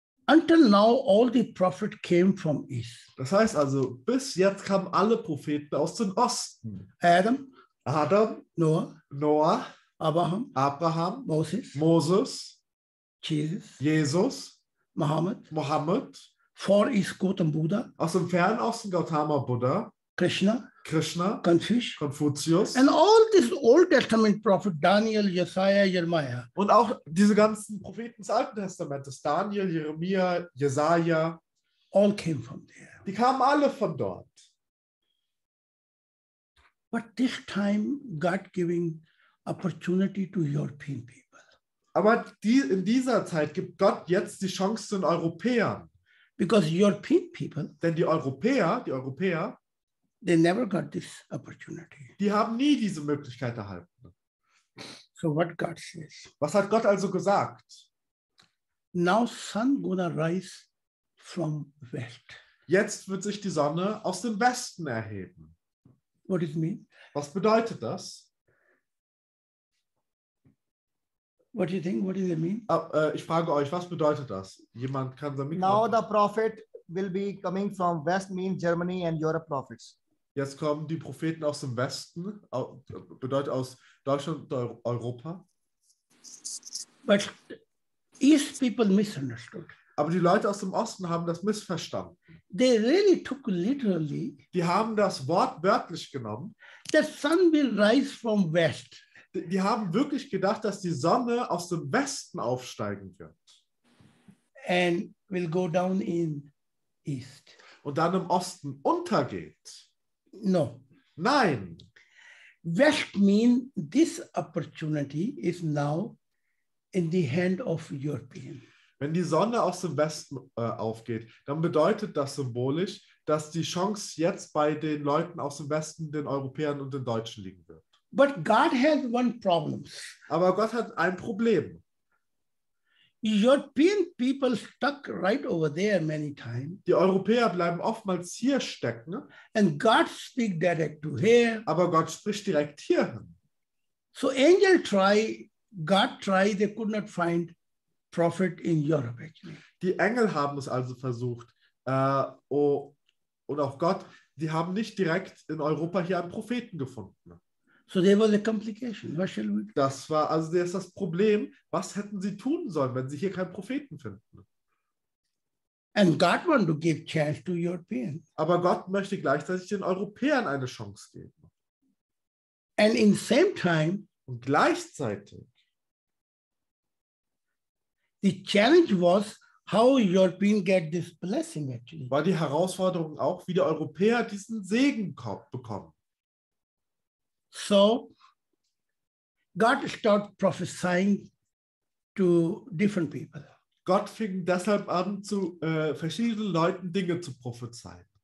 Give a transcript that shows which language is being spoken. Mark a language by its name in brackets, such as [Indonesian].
[English] Until now, all the prophets came from East. [German] Das heißt also, bis jetzt kamen alle Propheten aus dem Osten. [English] Adam. Noah. Abraham. Moses. Jesus. Mohammed. [German] Vor [English] East Gautam Buddha. [German] Aus dem fernen Osten Gautama Buddha. Krishna, Konfuzius, [English] and all these Old Testament prophets, Daniel, Jesaja, Jeremiah, [German] und auch diese ganzen Propheten des Alten Testamentes, Daniel, Jeremia, Jesaja, [English] all came from there. [German] Die kamen alle von dort. [English] But this time, God giving opportunity to European people. [German] Aber in dieser Zeit gibt Gott jetzt die Chance den Europäern. [English] Because European people. [German] Denn die Europäer. [English] They never got this opportunity. [German] Die haben nie diese Möglichkeit erhalten. [English] So what God says? [German] Was hat Gott also gesagt? [English] Now sun gonna rise from west. [German] Jetzt wird sich die Sonne aus dem Westen erheben. [English] What does it mean? [German] Was bedeutet das? [English] What do you think? What does it mean? [German] Ich frage euch, was bedeutet das? Jemand kann sein Mikrofon. [English] Now the prophet will be coming from west means Germany and Europe prophets. [German] Jetzt kommen die Propheten aus dem Westen, bedeutet aus Deutschland und Europa. [English] But East people misunderstood. [German] Aber die Leute aus dem Osten haben das missverstanden. [English] They really took literally, [German] die haben das Wort wörtlich genommen. [English] The sun will rise from west. [German] Die haben wirklich gedacht, dass die Sonne aus dem Westen aufsteigen wird. [English] And will go down in east. [German] Und dann im Osten untergeht. [English] No. [German] Nein. [English] West means this opportunity is now in the hand of European. [German] Wenn die Sonne aus dem Westen aufgeht, dann bedeutet das symbolisch, dass die Chance jetzt bei den Leuten aus dem Westen, den Europäern und den Deutschen liegen wird. [English] But God has one problem. [German] Aber Gott hat ein Problem. [English] European people stuck right over there many times. [German] Die Europäer bleiben oftmals hier stecken. [English] And God speak direct to here. [German] Aber Gott spricht direkt hier. [English] So angel try, God try, they could not find prophet in Europe actually. [German] Die Engel haben es also versucht. Und auch Gott, die haben nicht direkt in Europa hier einen Propheten gefunden. [English] So there was a complication. What shall we do? [German] Das war also jetzt das Problem. Was hätten sie tun sollen, wenn sie hier keinen Propheten finden? [English] And God wants to give chance to Europeans. [German] Aber Gott möchte gleichzeitig den Europäern eine Chance geben. [English] And in same time, [German] und gleichzeitig, [English] the challenge was how Europeans get this blessing actually. [German] War die Herausforderung auch, wie die Europäer diesen Segen bekommen. [English] So, God started prophesying to different people. [German] Gott fing deshalb an, zu verschiedenen Leuten Dinge zu prophezeien.